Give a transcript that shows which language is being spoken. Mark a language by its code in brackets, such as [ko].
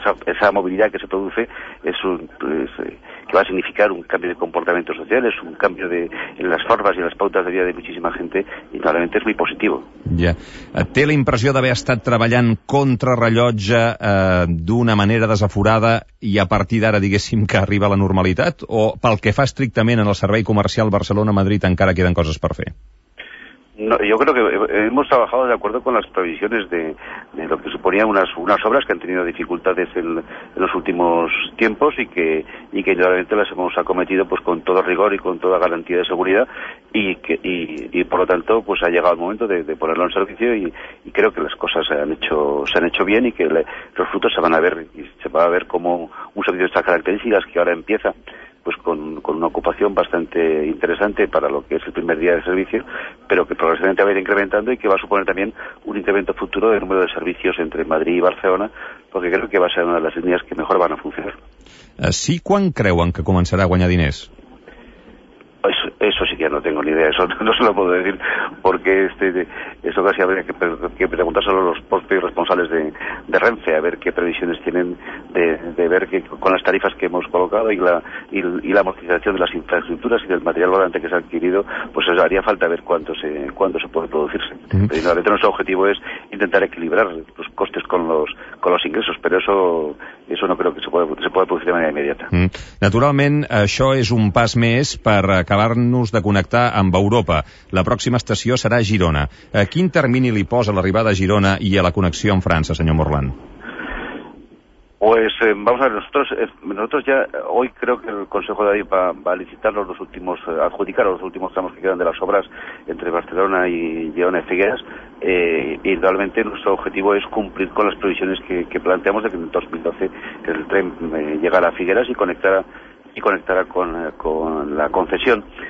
[es] Esa movilidad que se produce que va a significar un cambio de comportamientos sociales, un cambio en las formas y en las pautas de vida de muchísima gente, y claramente es muy positivo. [ca] Ja. Té la impressió d'haver estat treballant contra rellotge d'una manera desaforada i a partir d'ara, diguéssim, que arriba a la normalitat? O pel que fa estrictament en el servei comercial Barcelona-Madrid encara queden coses per fer? [es] No, yo creo que hemos trabajado de acuerdo con las previsiones de lo que suponían unas obras que han tenido dificultades en los últimos tiempos y que indudablemente las hemos acometido pues con todo rigor y con toda garantía de seguridad y por lo tanto pues ha llegado el momento de ponerlo en servicio y creo que las cosas se han hecho bien y que los frutos se van a ver y se va a ver como un servicio de estas características que ahora empieza pues con una ocupación bastante interesante para lo que es el primer día de servicio, pero que progresivamente va a ir incrementando y que va a suponer también un incremento futuro del número de servicios entre Madrid y Barcelona, porque creo que va a ser una de las líneas que mejor van a funcionar. ¿Sí? [ca] ¿Quan creuen que començarà a guanyar diners? [es] Eso sí que ya no tengo ni idea, eso no se lo puedo decir, porque eso casi habría que preguntar solo a los propios responsables de Renfe, a ver qué previsiones tienen de ver que con las tarifas que hemos colocado y la amortización de las infraestructuras y del material volante que se ha adquirido, pues eso haría falta ver cuánto se puede producirse. Uh-huh. Pero nuestro objetivo es intentar equilibrar los costes con los ingresos, pero eso no creo que se pueda producir de manera inmediata. Uh-huh. [ca] Naturalment, això és un pas més per acabar-nos de connectar amb Europa. La pròxima estació serà Girona. A quin termini li posa l'arribada a Girona i a la connexió amb França, senyor Morlán? [es] Pues vamos a ver, nosotros ya hoy creo que el Consejo de Adif va a licitar los últimos tramos que quedan de las obras entre Barcelona y Girona y Figueras. Indudablemente nuestro objetivo es cumplir con las previsiones que planteamos de que en 2012 el tren llegara a Figueras y conectara con la concesión.